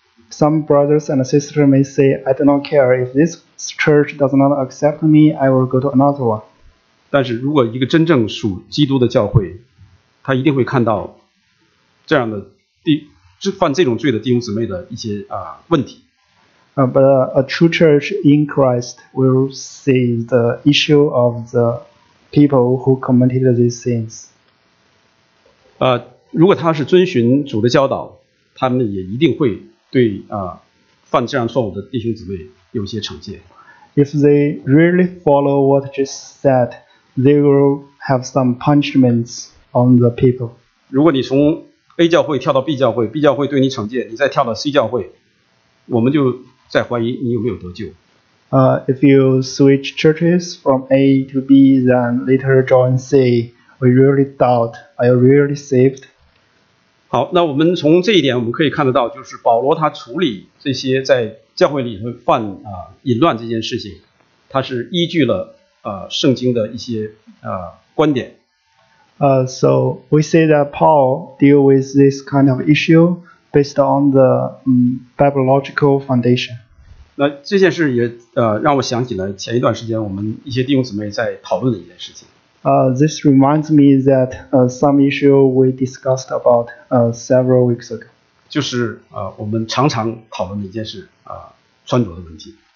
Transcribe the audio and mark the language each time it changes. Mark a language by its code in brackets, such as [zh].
[en] Some brothers and sisters may say, I do not care. If this church does not accept me, I will go to another one. [zh] 但是如果一个真正属基督的教会，他一定会看到这样的犯这种罪的弟兄姊妹的一些问题。 [en] But a true church in Christ will see the issue of the people who committed these sins. [zh] 如果他是遵循主的教导，他们也一定会对犯这样错误的弟兄姊妹有些惩戒。 [en] If they really follow what Jesus said, they will have some punishments on the people. [zh] 如果你从 A 教会跳到 B 教会 ，B 教会对你惩戒，你再跳到 C 教会，我们就在怀疑你有没有得救。 [en] If you switch churches from A to B, then later join C, we really doubt, are you really saved? [zh] 好，那我们从这一点我们可以看得到，就是保罗他处理这些在教会里头犯淫乱这件事情，他是依据了圣经的一些观点。 [en] So we see that Paul deal with this kind of issue. Based on the biblical foundation. [zh] 那这件事也让我想起了前一段时间我们一些弟兄姊妹在讨论的一件事情。 [en] This reminds me that some issue we discussed about several weeks ago. [zh] 就是我们常常讨论的一件事穿着的问题。